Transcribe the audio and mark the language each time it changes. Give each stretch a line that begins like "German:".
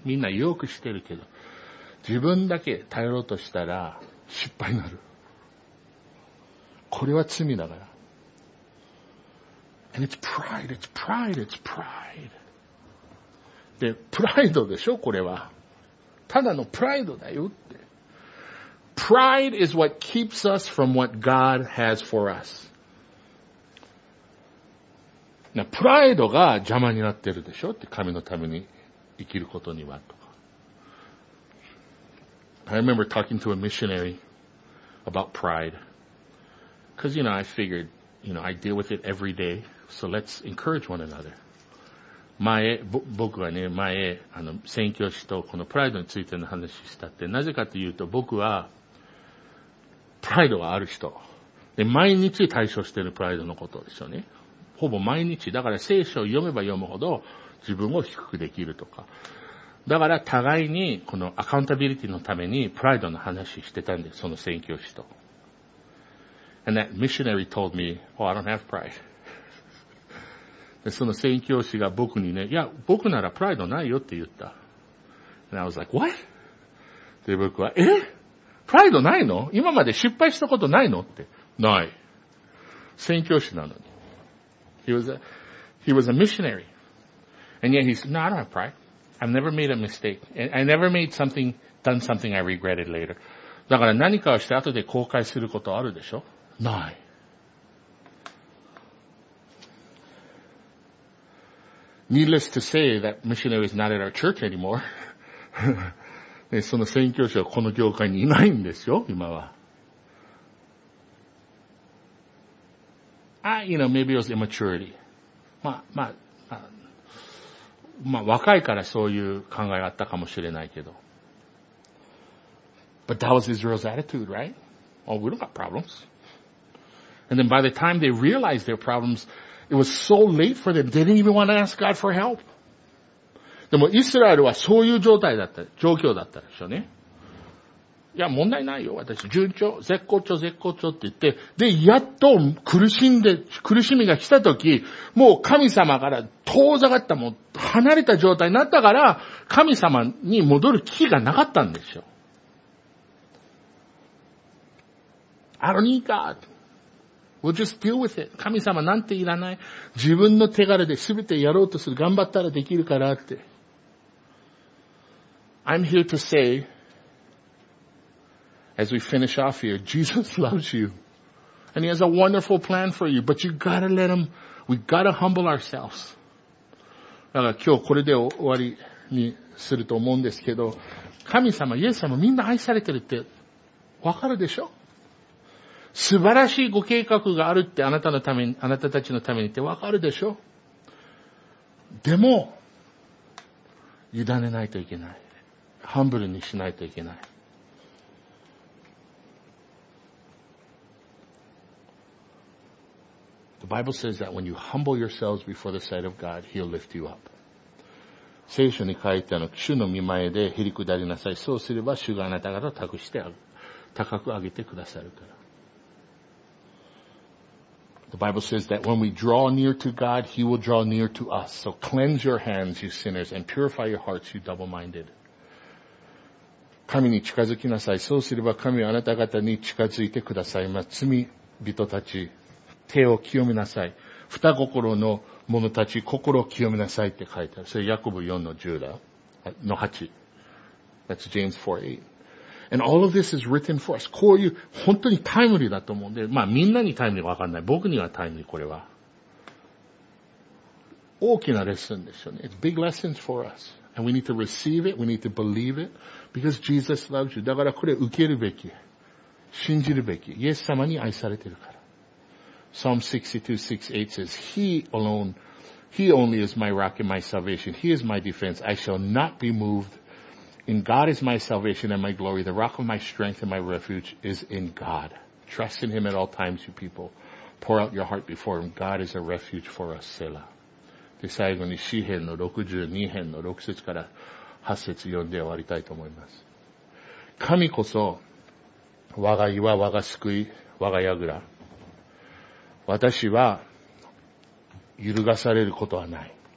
Japanese: みんなよく知ってるけど、自分だけ頼ろうとしたら、失敗になる。これは罪だから。
English: And it's pride, it's pride, it's pride.
Japanese: で、プライドでしょ、これは。ただのプライドだよって。
English: Pride is what keeps us from what God has for us.
Japanese: な、プライドが邪魔になってるでしょって、神のために生きることにはとか。
English: I remember talking to a missionary about pride. Because, you know, I figured, you know, I deal with it every day, so let's encourage one another.
Japanese: 前、僕はね、前、あの、宣教師とこのプライドについての話したって、なぜかというと、僕は、プライドがある人。で、毎日対処してるプライドのことですよね。ほぼ毎日。だから聖書を読めば読むほど、自分を低くできるとか。だから、互いに、このアカウンタビリティのために、プライドの話してたんです、その宣教師と。
English: And that missionary told me, oh, I don't have pride.
Japanese: で、その宣教師が僕にね、いや、僕ならプライドないよって言った。
English: And I was like, what?
Japanese: で、僕は、え?プライドないの? 今まで失敗したことないの? って。ない。宣教師なのに。
English: He was a missionary. And yet he said, no, I don't have pride. I've never made a mistake. I never done something I regretted later.
Japanese: だから何かをして後で後悔することあるでしょ? ない。
English: Needless to say, that missionary is not at our church anymore.
Japanese: その宣教師はこの教会にいないんですよ、今は。
English: Ah, you know, maybe it was immaturity.
Japanese: まあ、若いからそういう考えがあったかもしれないけど。
English: But that was Israel's attitude, right? Oh, we don't got problems. And then by the time they realized their problems, it was so late for them, they didn't even want to ask God for help.
Japanese: でもイスラエルはそういう状態だった、状況だったでしょうね。いや、問題ないよ、私。順調、絶好調、絶好調って言って、で、やっと苦しんで、苦しみが来たとき、もう神様から遠ざかった、もう離れた状態になったから、神様に戻る気がなかったんですよ。
English: I don't need God. We'll just deal with it.
Japanese: 神様なんていらない。自分の手柄で全てやろうとする。頑張ったらできるからって。
English: I'm here to say, as we finish off here, Jesus loves you. And he has a wonderful plan for you. But you gotta let him, we gotta humble ourselves.
Japanese: だから今日これで終わりにすると思うんですけど、神様、イエス様みんな愛されてるってわかるでしょ? 素晴らしいご計画があるってあなたのために、あなたたちのためにってわかるでしょ? でも、委ねないといけない。ハンブルにしないといけない。
English: The Bible says that when you humble yourselves before the sight of God, He'll lift you up.
Japanese: 聖書に書いてある主の御前でへりくだりなさい。そうすれば主があなた方を託して高く上げてくださるから。
English: The Bible says that when we draw near to God, He will draw near to us. So cleanse your hands, you sinners, and purify your hearts, you double-minded.
Japanese: 神に近づきなさい。そうすれば神はあなた方に近づいてくださいます。罪人たち、手を清めなさい。二心の者たち、心を清めなさいって書いてある。それヤコブ4の10だ。の8。
English: That's James 4:8。 And all of this is written for us.
Japanese: こういう、本当にタイムリーだと思うんで、まあみんなにタイムリーはわかんない。僕にはタイムリー、これは。大きなレッスンですよね。
English: It's big lessons for us. And we need to receive it, we need to believe it, because Jesus loves you.
Japanese: だからこれ受けるべき。信じるべき。イエス様に愛されてるから。
English: Psalm 62:6-8 says, He only is my rock and my salvation. He is my defense. I shall not be moved. In God is my salvation and my glory. The rock of my strength and my refuge is in God. Trust in Him at all times, you people. Pour out your heart before Him. God is a refuge for us, Selah.
Japanese: で、最後に詩編の62編の6節から8節読んで終わりたいと思います。神こそ、我が岩、我が救い、我が櫓。私は、揺るがされることはない。